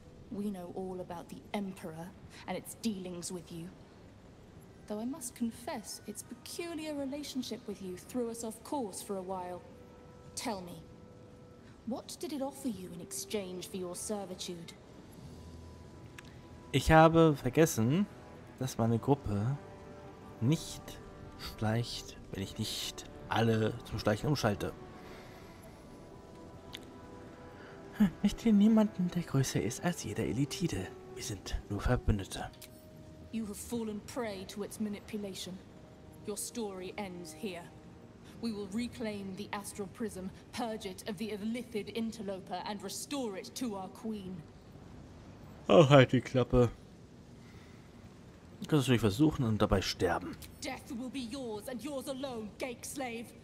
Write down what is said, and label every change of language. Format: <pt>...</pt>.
<en>We know all about the Emperor and its dealings with you. Though I must confess, its peculiar relationship with you threw us off course for a while. Tell me, what did it offer you in exchange for your servitude?</en> <de>Ich habe vergessen, dass meine Gruppe nicht schleicht, wenn ich nicht alle zum Schleichen umschalte. Ich kenne niemanden, der größer ist als jeder Elitide. Wir sind nur Verbündete.</de> <en>You have fallen prey to its manipulation. Your story ends here. We will reclaim the astral prism, purge it of the illithid interloper and restore it to our queen.</en> <de>Oh, halt die Klappe. Du kannst es natürlich versuchen und dabei sterben.</de> <en>Death will be yours and yours alone, Gake Slave.</en>